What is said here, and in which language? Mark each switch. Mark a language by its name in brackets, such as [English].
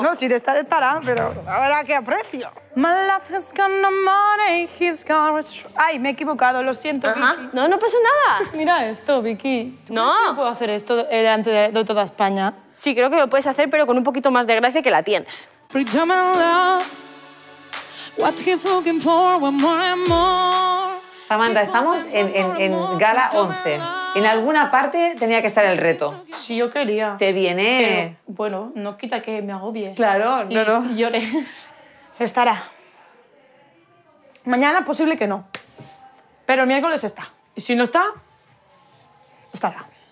[Spanish] No, si de estar estará, pero a ver a qué aprecio. [English] My love has got no money, he's got a str- [Spanish] Ay, me he equivocado, lo siento, Vicky. No, no pasa nada. Mira esto, Vicky. No. ¿No puedo hacer esto delante de toda España? Sí, creo que lo puedes hacer, pero con un poquito más de gracia que la tienes. [English] Freedom and love, what he's looking for, one more and more. [Spanish] Samantha, estamos en Gala 11. En alguna parte tenía que estar el reto. Sí, yo quería. Te viene. Pero, bueno, no quita que me agobie. Claro, no, y, no. Y lloré. Estará. Mañana posible que no. Pero el miércoles está. Y si no está, estará.